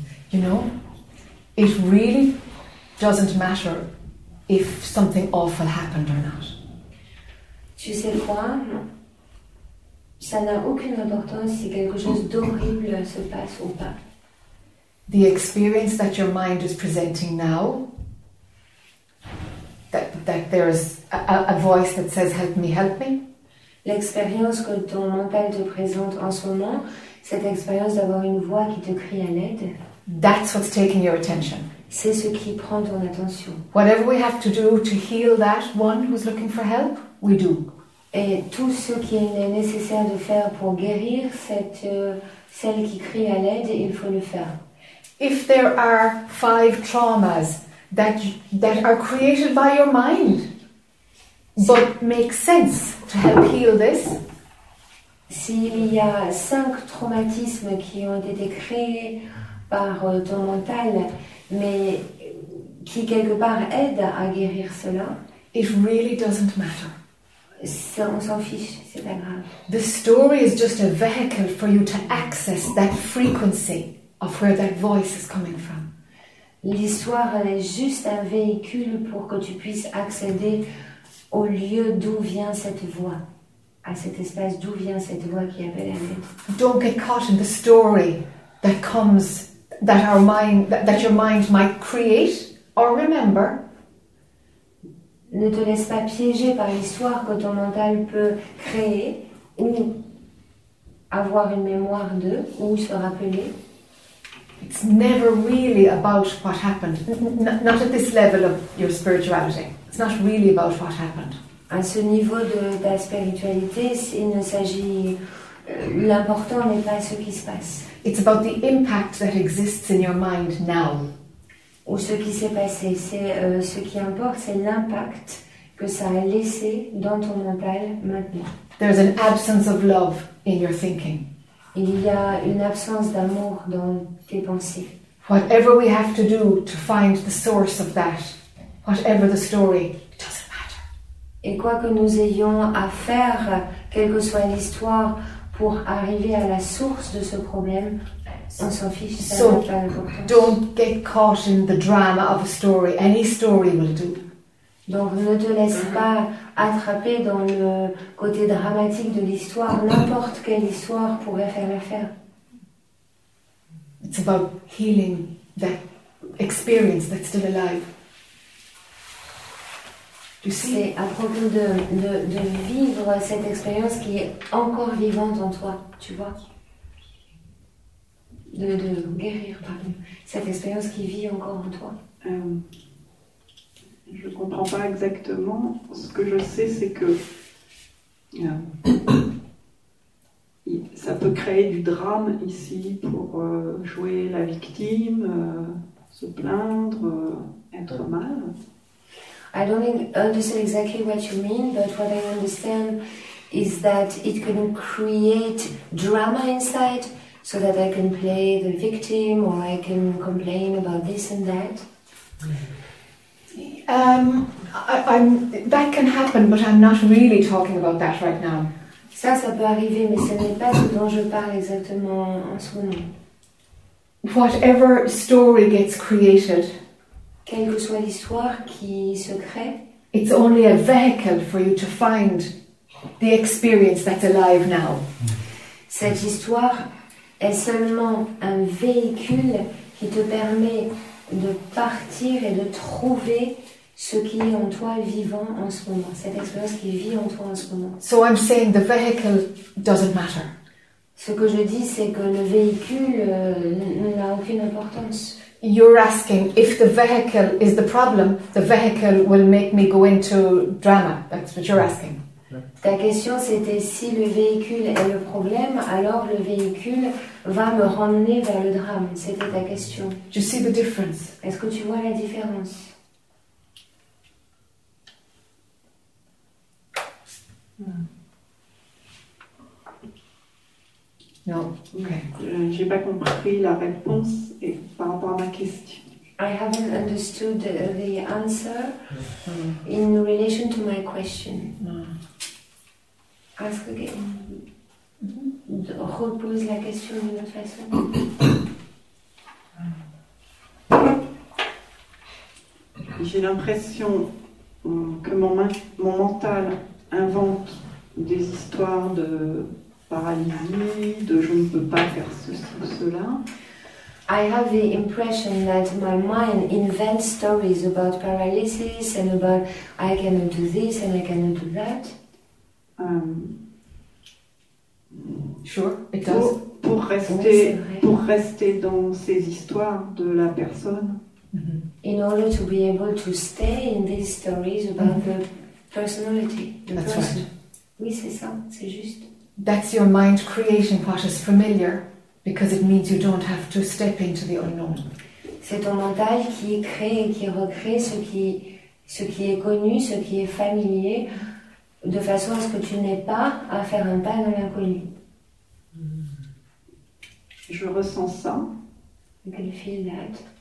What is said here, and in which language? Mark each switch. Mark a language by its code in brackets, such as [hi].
[en] You know, it really doesn't matter if something awful happened or not. [fr] Tu sais quoi? Ça n'a aucune importance si quelque chose d'horrible se passe ou pas. [en] The experience that your mind is presenting now, that there is a voice that says, help me, help me. [fr] L'expérience que ton mental te présente en ce moment, cette expérience d'avoir une voix qui te crie à l'aide, [en] that's what's taking your attention. [fr] C'est ce qui prend ton attention. [en] Whatever we have to do to heal that one who's looking for help, we do. [fr] Et tout ce qui est nécessaire de faire pour guérir celle qui crie à l'aide, il faut le faire. [en] If there are 5 traumas that are created by your mind, but make sense to help heal this. [fr] S'il y a 5 traumatismes qui ont été créés par ton mental, mais qui quelque part aident à guérir cela. [en] It really doesn't matter. [fr] Ça, on s'en fiche, c'est pas grave. [en] The story is just a vehicle for you to access that frequency of where that voice is coming from. [fr] L'histoire est juste un véhicule pour que tu puisses accéder au lieu d'où vient cette voix, à cet espace d'où vient cette voix qui appelle à l'aide. [en] Don't get caught in the story that comes, that our mind, that your mind might create or remember. [fr] Ne te laisse pas piéger par l'histoire que ton mental peut créer ou avoir une mémoire de ou se rappeler. [en] It's never really about what happened. Not at this level of your spirituality. It's not really about what happened. [fr] À ce niveau de ta spiritualité, il ne s'agit l'important n'est pas ce qui se passe. [en] It's about the impact that exists in your mind now. [fr] Ou ce qui s'est passé, c'est ce qui importe, c'est l'impact que ça a laissé dans ton mental maintenant. [en] There's an absence of love in your thinking. [fr] Il y a une absence d'amour dans tes pensées. [en] Whatever we have to do to find the source of that, whatever the story, it doesn't matter. [fr] Et quoi que nous ayons à faire, quelle que soit l'histoire, pour arriver à la source de ce problème, on s'en fiche, ça n'a pas d'importance. [en] Don't get caught in the drama of a story. Any story will do. [fr] Donc ne te laisse pas attraper dans le côté dramatique de l'histoire. N'importe quelle histoire pourrait faire l'affaire. [en] It's about healing that experience that's still alive. [fr] C'est à propos de vivre cette expérience qui est encore vivante en toi, tu vois. De guérir, pardon, cette expérience qui vit encore en toi. Je ne comprends pas exactement. Ce que je sais, c'est que ça peut créer du drame ici pour jouer la victime, se plaindre, être mal. [en] I don't understand exactly what you mean, but what I understand is that it can create drama inside, so that I can play the victim or I can complain about this and that? That can happen, but I'm not really talking about that right now. [fr] Ça, ça peut arriver, mais ce n'est pas ce dont je parle exactement en ce moment. [en] Whatever story gets created, [fr] quelle que soit l'histoire qui se crée, [en] it's only a vehicle for you to find the experience that's alive now. [fr] Cette histoire est seulement un véhicule qui te permet de partir et de trouver ce qui est en toi vivant en ce moment, cette expérience qui vit en toi en ce moment. [en] So I'm saying the vehicle doesn't matter. [fr] Ce que je dis, c'est que le véhicule n'a aucune importance. [en] You're asking if the vehicle is the problem, the vehicle will make me go into drama. That's what you're asking. [fr] Ta question, c'était si le véhicule est le problème, alors le véhicule va me ramener vers le drame. C'était ta question. [en] Do you see the difference? [fr] Est-ce que tu vois la différence? Non. Okay. J'ai pas compris la réponse et par rapport à ma question. [en] I haven't understood the answer in relation to my question. No. Ask again. Mm-hmm. [fr] Repose la question d'une autre façon. J'ai l'impression que mon mental invente des histoires de paralysie, de je ne peux pas faire ceci ou cela. [en] I have the impression that my mind invents stories about paralysis and about I cannot do this and I cannot do that. Sure, it does. [fr] Pour rester dans ces histoires de la personne. Mm-hmm. [en] In order to be able to stay in these stories about mm-hmm. the personality. That's person. Right. [fr] Oui, c'est ça, c'est juste. [en] That's your mind creating what is familiar, because it means you don't have to step into the unknown. [fr] C'est ton mental qui crée et qui recrée ce qui est connu, ce qui est familier, de façon à ce que tu n'aies pas à faire un pas dans l'inconnu. Je ressens ça. [en] I can feel that.